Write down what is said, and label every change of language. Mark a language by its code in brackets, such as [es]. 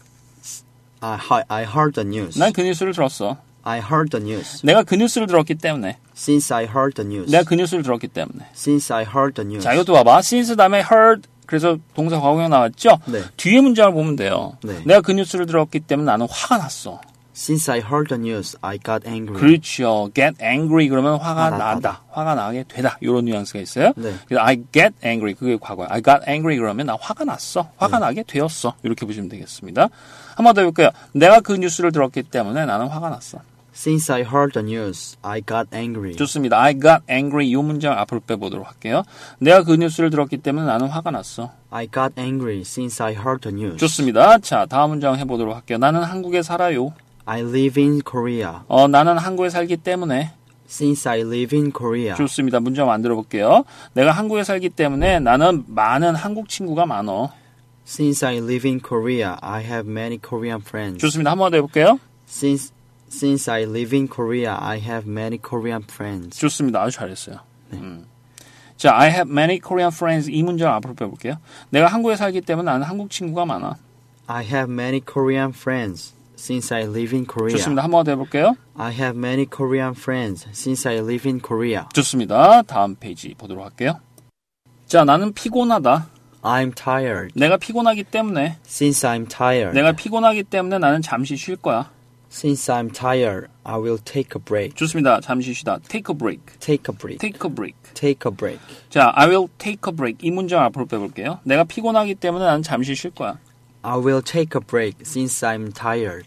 [en] I heard the news. [ko] 난 그 뉴스를 들었어. [en] I heard the news. [ko] 내가 그 뉴스를 들었기 때문에. [en] Since I heard the news. [ko] 내가 그 뉴스를 들었기 때문에. [en] Since I heard the news. [ko] 자, 이것도 봐봐. Since 다음에 heard. 그래서 동사 과거형 나왔죠? 네. 뒤에 문장을 보면 돼요. 네. 내가 그 뉴스를 들었기 때문에 나는 화가 났어. [en] Since I heard the news, I got angry. [ko] 그렇죠. [en] Get angry [ko] 그러면 화가 나다. 화가 나게 되다. 이런 뉘앙스가 있어요. 네. 그래서 [en] I get angry. [ko] 그게 과거야. [en] I got angry [ko] 그러면 나 화가 났어. 화가 네. 나게 되었어. 이렇게 보시면 되겠습니다. 한 번 더 볼게요. 내가 그 뉴스를 들었기 때문에 나는 화가 났어. [en] Since I heard the news, I got angry. [ko] 좋습니다. [en] I got angry. [ko] 이 문장 앞으로 빼보도록 할게요. 내가 그 뉴스를 들었기 때문에 나는 화가 났어. [en] I got angry since I heard the news. [ko] 좋습니다. 자, 다음 문장 해보도록 할게요. 나는 한국에 살아요. [en] I live in Korea. [ko] 나는 한국에 살기 때문에. [en] Since I live in Korea. [ko] 좋습니다. 문장 만들어 볼게요. 내가 한국에 살기 때문에 나는 많은 한국 친구가 많어. [en] Since I live in Korea, I have many Korean friends. [ko] 좋습니다. 한번 더 해볼게요. [en] Since I live in Korea, I have many Korean friends. [ko] 좋습니다. 아주 잘했어요. 네. [en] 자, I have many Korean friends. [ko] 이 문장 앞으로 빼볼게요. 내가 한국에 살기 때문에 나는 한국 친구가 많아. [en] I have many Korean friends. Since I live in Korea. [ko] 좋습니다. 한 번 더 해볼게요. [en] I have many Korean friends since I live in Korea. [ko] 좋습니다. 다음 페이지 보도록 할게요. 자, 나는 피곤하다. [en] I'm tired. [ko] 내가 피곤하기 때문에. [en] Since I'm tired. [ko] 내가 피곤하기 때문에 나는 잠시 쉴 거야. [en] Since I'm tired, I will take a break. [ko] 좋습니다. 잠시 쉬다. [en] Take a break. Take a break. Take a break. Take a break. [ko] 자, [en] I will take a break. [ko] 이 문장 앞으로 빼볼게요. 내가 피곤하기 때문에 나는 잠시 쉴 거야. [en] I will take a break since I'm tired.